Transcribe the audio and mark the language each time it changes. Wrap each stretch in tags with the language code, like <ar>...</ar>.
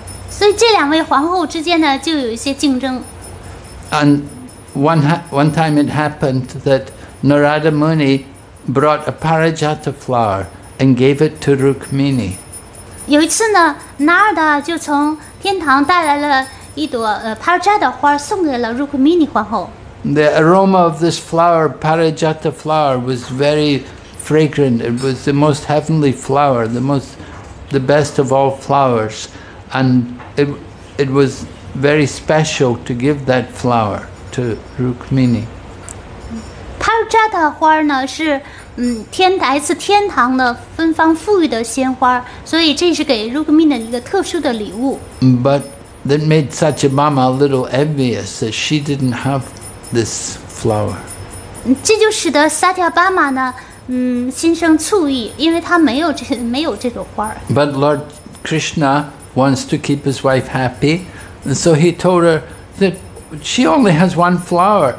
<zh>所以这两位皇后之间呢，就有一些竞争。</zh> <en>And one time it happened that Narada Muni brought a parijata flower and gave it to Rukmini.</en> <zh>有一次呢，Narada就从天堂带来了一朵parijata花，送给了 Rukmini 皇后。</zh> <en>The aroma of this flower, parijata flower, was very fragrant. It was the most heavenly flower, the best of all flowers, and it was very special to give that flower to Rukmini.</en> <zh>她摘的花呢是天台寺天堂的芬芳馥郁的鲜花，所以这是给Rukmini的一个特殊的礼物。</zh> <en>But that made Sachibama a little envious that she didn't have this flower.</en> <zh>这就使得Sachibama呢 心生醋意，因为他没有这种花。</zh> <en>But Lord Krishna wants to keep his wife happy, and so he told her that she only has one flower.</en>